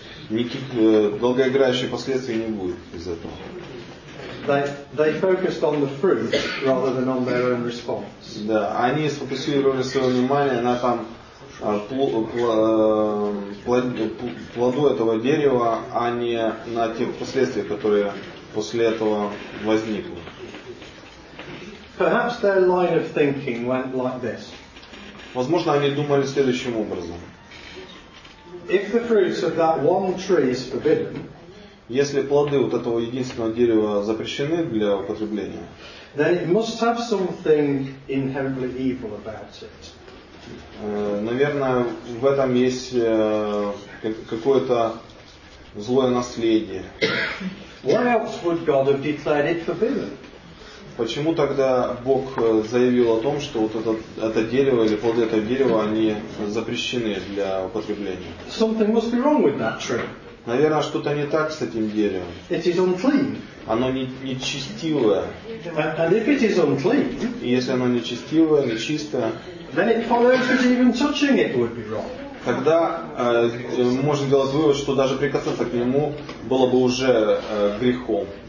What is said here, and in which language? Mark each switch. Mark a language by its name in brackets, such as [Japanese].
[Russian] Никаких долгоиграющих последствий не будет из этого. [English] They focused on the fruit rather than on their own response. [Russian] Да, они сфокусировали свое внимание на там плоду этого дерева, а не на тех последствиях, которые после этого возникли. [English] Perhaps their line of thinking went like this. [Russian] Возможно, они думали следующим образом. [English] If the fruits of that one tree is forbidden, [Russian] если плоды вот этого единственного дерева запрещены для употребления, [English] then it must have something inherently evil about it. [Russian] Наверное, в этом есть какое-то злое наследие. [English] Why else would God have declared it forbidden? [Russian] Почему тогда Бог заявил о том, что вот это дерево или плоды этого дерева, они запрещены для употребления? [English] Something must be wrong with that tree. [Russian] Наверное, что-то не так с этим деревом. [English] It is unclean. [Russian] Оно нечестивое. [English] And if it is unclean, [Russian] и если оно нечестивое, нечистое, [English] then it follows that even touching it would be wrong. [Russian] Тогда можно делать вывод, что даже прикасаться к нему было бы уже грехом.